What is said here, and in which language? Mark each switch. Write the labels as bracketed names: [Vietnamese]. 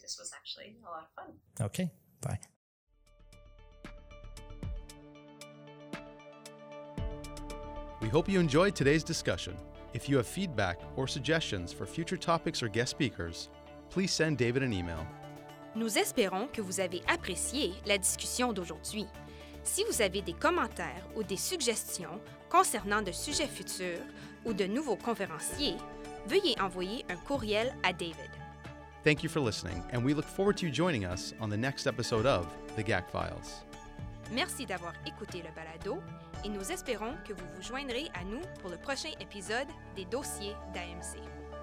[English] This was actually a lot of fun. Okay, bye. We hope you enjoyed today's discussion. If you have feedback or suggestions for future topics or guest speakers, please send David an email. [French] Nous espérons que vous avez apprécié la discussion d'aujourd'hui. Si vous avez des commentaires ou des suggestions concernant de sujets futurs ou de nouveaux conférenciers, veuillez envoyer un courriel à David. [English] Thank you for listening, and we look forward to you joining us on the next episode of The GAC Files. [French] Merci d'avoir écouté le balado, et nous espérons que vous vous joindrez à nous pour le prochain épisode des dossiers d'AMC.